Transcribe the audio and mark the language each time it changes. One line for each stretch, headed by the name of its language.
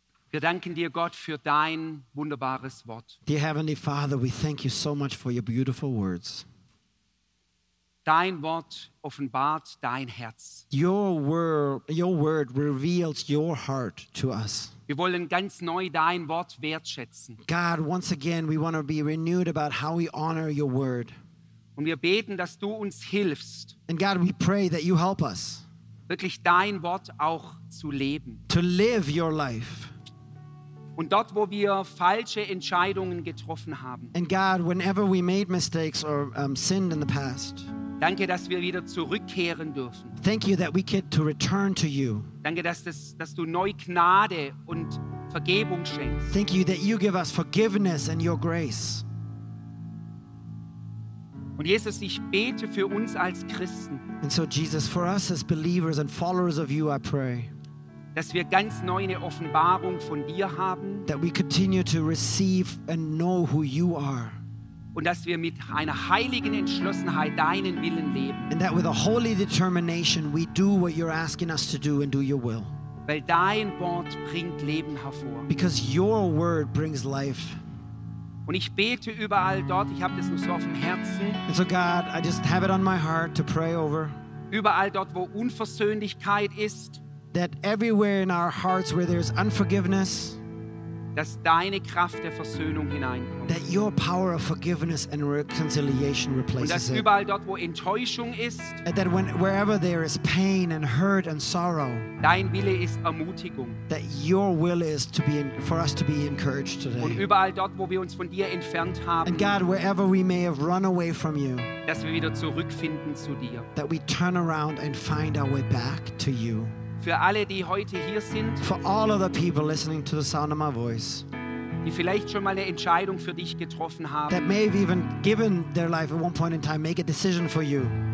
German: Wir danken dir, Gott, für dein wunderbares Wort.
English: Dear Heavenly Father, we thank you so much for your beautiful words.
German: Dein Wort offenbart dein Herz.
English: Your word reveals your heart to us.
German: Wir wollen ganz neu dein Wort wertschätzen.
English: God, once again, we want to be renewed about how we honor your word.
German: Und wir beten, dass du uns hilfst.
English: And God, we pray that you help us.
German: wirklich dein Wort auch zu leben.
English: To live your life.
German: Und dort, wo wir falsche Entscheidungen getroffen haben.
English: And God, whenever we made mistakes or sinned in the past.
German: Danke, dass wir wieder zurückkehren dürfen.
English: Thank you that we get to return to you.
German: Danke, dass du neu Gnade und Vergebung schenkst.
English: Thank you that you give us forgiveness and your grace.
German: Und Jesus, ich bete für uns als Christen.
English: And so Jesus, for us as believers and followers of you, I pray.
German: Dass wir ganz neu eine Offenbarung von dir haben.
English: That we continue to receive and know who you are.
German: Und dass wir mit einer heiligen Entschlossenheit deinen Willen leben.
English: And that with a holy determination we do what you're asking us to do and do your will.
German: Weil dein Wort bringt Leben hervor.
English: Because your word brings life.
German: Und ich bete überall dort, ich habe das nur so auf dem Herzen.
English: And so God, I just have it on my heart to pray over.
German: Überall dort, wo Unversöhnlichkeit ist.
English: That everywhere in our hearts where there's unforgiveness,
German: dass deine Kraft der Versöhnung hineinkommt.
English: That your power of forgiveness and reconciliation replaces
German: und dass
English: it.
German: Überall dort, wo Enttäuschung ist,
English: and that when, wherever there is pain and hurt and sorrow,
German: dein Wille ist Ermutigung.
English: That your will is to be in, for us to be encouraged today.
German: Und überall dort, wo wir uns von dir entfernt haben,
English: and God, wherever we may have run away from you,
German: dass wir wieder zurückfinden zu dir.
English: That we turn around and find our way back to you.
German: Für alle, die heute hier sind,
English: for all of the people listening to the sound of my voice,
German: die vielleicht schon mal eine Entscheidung für dich getroffen haben,
English: that may have even given their life at one point in time, make a decision for you.